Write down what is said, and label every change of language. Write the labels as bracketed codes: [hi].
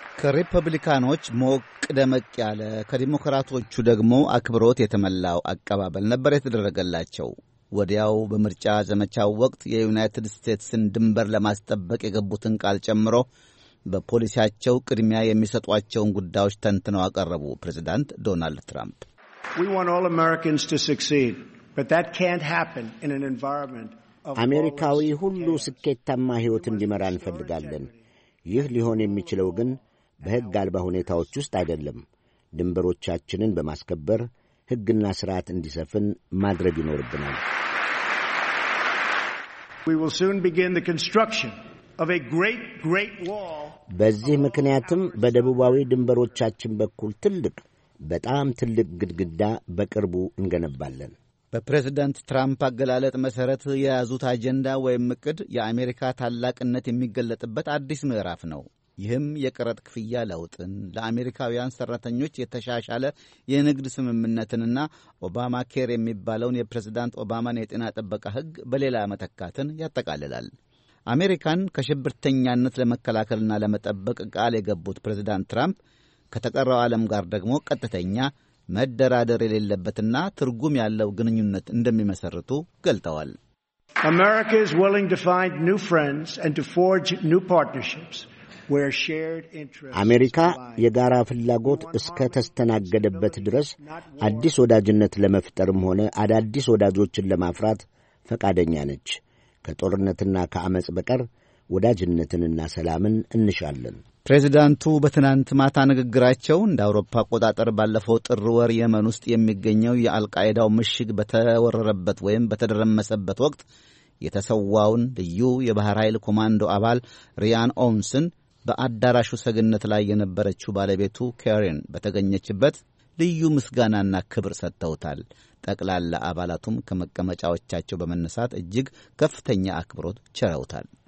[am] ከሪፐብሊካኖች ሞቅ ደመቅ ያለ፣ ከዲሞክራቶቹ ደግሞ አክብሮት የተመላው አቀባበል ነበር የተደረገላቸው። ወዲያው በምርጫ ዘመቻው ወቅት የዩናይትድ ስቴትስን ድንበር ለማስጠበቅ የገቡትን ቃል ጨምሮ በፖሊሲያቸው ቅድሚያ የሚሰጧቸውን ጉዳዮች ተንትነው አቀረቡ ፕሬዚዳንት ዶናልድ ትራምፕ። [en] We want all Americans to succeed, but that can't happen in an environment of [am] አሜሪካዊ ሁሉ ስኬታማ ሕይወት እንዲመራ እንፈልጋለን። ይህ ሊሆን የሚችለው ግን በሕግ አልባ ሁኔታዎች ውስጥ አይደለም። ድንበሮቻችንን በማስከበር ሕግና ሥርዓት እንዲሰፍን ማድረግ ይኖርብናል። [en] We will soon begin the construction of a great great wall. [am] በዚህ ምክንያትም በደቡባዊ ድንበሮቻችን በኩል ትልቅ በጣም ትልቅ ግድግዳ በቅርቡ እንገነባለን። በፕሬዝዳንት ትራምፕ አገላለጽ መሰረት የያዙት አጀንዳ ወይም እቅድ የአሜሪካ ታላቅነት የሚገለጥበት አዲስ ምዕራፍ ነው። ይህም የቀረጥ ክፍያ ለውጥን፣ ለአሜሪካውያን ሰራተኞች የተሻሻለ የንግድ ስምምነትንና ኦባማ ኬር የሚባለውን የፕሬዝዳንት ኦባማን የጤና ጥበቃ ሕግ በሌላ መተካትን ያጠቃልላል። አሜሪካን ከሽብርተኛነት ለመከላከልና ለመጠበቅ ቃል የገቡት ፕሬዝዳንት ትራምፕ ከተቀረው ዓለም ጋር ደግሞ ቀጥተኛ መደራደር የሌለበትና ትርጉም ያለው ግንኙነት እንደሚመሰርቱ ገልጠዋል። [en] America is willing to find new friends and to forge new partnerships where shared interests [am] አሜሪካ የጋራ ፍላጎት እስከ ተስተናገደበት ድረስ አዲስ ወዳጅነት ለመፍጠርም ሆነ አዳዲስ ወዳጆችን ለማፍራት ፈቃደኛ ነች። ከጦርነትና ከአመጽ በቀር ወዳጅነትንና ሰላምን እንሻለን። ፕሬዚዳንቱ በትናንት ማታ ንግግራቸው እንደ አውሮፓ አቆጣጠር ባለፈው ጥር ወር የመን ውስጥ የሚገኘው የአልቃይዳው ምሽግ በተወረረበት ወይም በተደረመሰበት ወቅት የተሰዋውን ልዩ የባህር ኃይል ኮማንዶ አባል ሪያን ኦንስን በአዳራሹ ሰግነት ላይ የነበረችው ባለቤቱ ካሪን በተገኘችበት ልዩ ምስጋናና ክብር ሰጥተውታል። ጠቅላላ አባላቱም ከመቀመጫዎቻቸው በመነሳት እጅግ ከፍተኛ አክብሮት ቸረውታል።